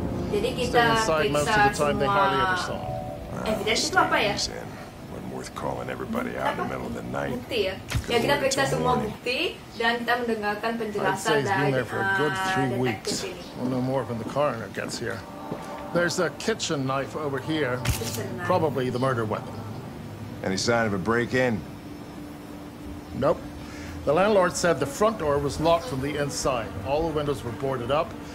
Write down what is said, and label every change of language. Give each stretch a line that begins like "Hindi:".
Indonesian: Jadi kita periksa semua evidence itu apa ya?
English: Calling everybody out in the middle of the night.
Indonesian: Ya, kita periksa semua bukti dan kita mendengarkan penjelasan dari
English: been there for a good 3 weeks. We'll know more when the coroner gets here. There's a kitchen knife over here. Probably the murder weapon. Any sign of a break-in? Nope. The landlord said the front door was locked from the inside. All the windows were boarded up.